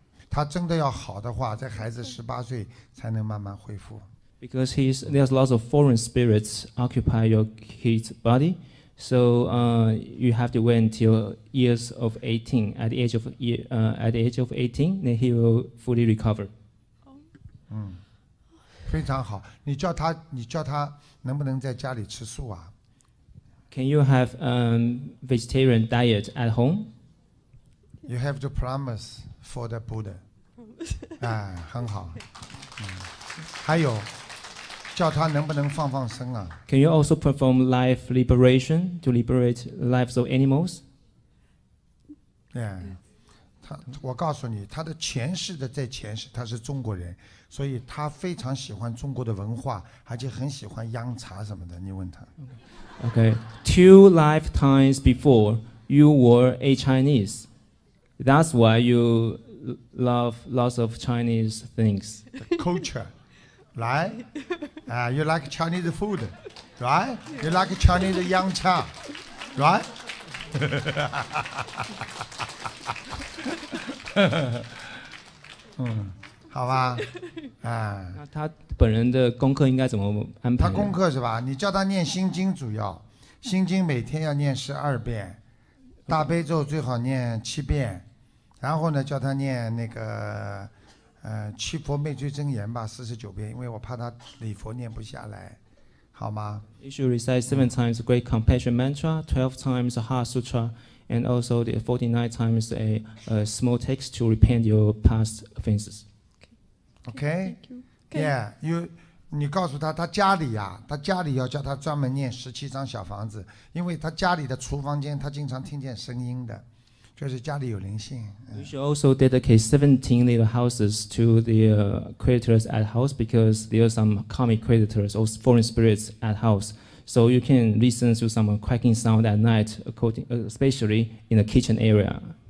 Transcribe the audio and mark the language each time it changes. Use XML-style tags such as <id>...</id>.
<zh>他真的要好的话，这孩子18岁才能慢慢恢复。</zh> <en>Because there's lots of foreign spirits occupy your kid's body, so you have to wait until years of 18. At the age of 18, then he will fully recover.</en> <zh>非常好。你叫他能不能在家里吃素啊？</zh> <en>Can you have a vegetarian diet at home? You have to promise for the Buddha.</en> <zh>很好。还有，叫他能不能放放生啊？</zh> <en>Can you also perform life liberation to liberate lives of animals? Yeah.</en> <zh>我告诉你，他的前世的在前世他是中国人，所以他非常喜欢中国的文化，而且很喜欢洋茶什么的。你问他。</zh> <en>Okay, two lifetimes before you were a Chinese, that's why you love lots of Chinese things. Culture, right? You like Chinese food, right? You like Chinese 洋茶, right?</en> <zh>(笑)好吧，那他本人的功课应该怎么安排？他功课是吧？你叫他念心经主要，心经每天要念十二遍，大悲咒最好念七遍，然后呢叫他念那个七佛灭罪真言吧，四十九遍，因为我怕他礼佛念不下来，好吗？</zh> <en>You should recite seven times Great Compassion Mantra, 12 times Heart Sutra, and also the 49 times a small text to repent your past offenses. Okay. Thank you. Yeah, you.</en> <zh>你告诉他，他家里呀、啊，他家里要叫他专门念十七张小房子，因为他家里的厨房间他经常听见声音的。就是家里有灵性。</zh> <en>You should also dedicate 17 little houses to the creditors at house because there are some karmic creditors or foreign spirits at house. So you can listen to some cracking sound at night, especially in the kitchen area.</en>